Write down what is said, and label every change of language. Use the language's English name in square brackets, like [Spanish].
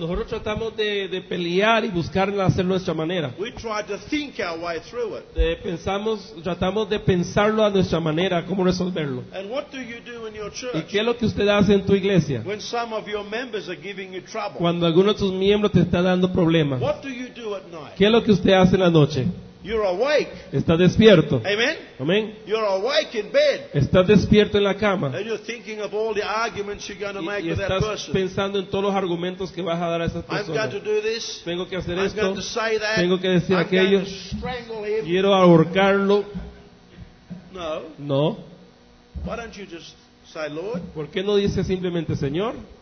[Spanish] Nosotros tratamos de pelear y buscar hacer nuestra manera. [English] We try to think our way through it. [Spanish] Tratamos de pensarlo a nuestra manera, cómo resolverlo. [English] And what do you do in your church? [Spanish] ¿Y qué es lo que usted hace en tu iglesia? [English] When some of your members are giving you trouble. [Spanish] Cuando alguno de tus miembros te está dando problemas. [English] What do you do at night? [Spanish] ¿Qué es lo que usted hace en la noche? [English] You're awake. [Spanish] Está despierto. [English] Amen. Amen. You're awake in bed. [Spanish] Está despierto en la cama. [English] And you're thinking of all the arguments you're going to make with that person. [Spanish] Estás pensando en todos los argumentos que vas a dar a esa persona. [English] I'm going to do this. [Spanish] Tengo que hacer esto. [English] I'm going to say that. [Spanish] Tengo que decir [English] I'm [Spanish] aquello. [English] Going to strangle him. [Spanish] Quiero ahorcarlo. [English] No. [Spanish] No. [English] Why don't you just say, Lord? [Spanish] ¿Por qué no dices simplemente, Señor?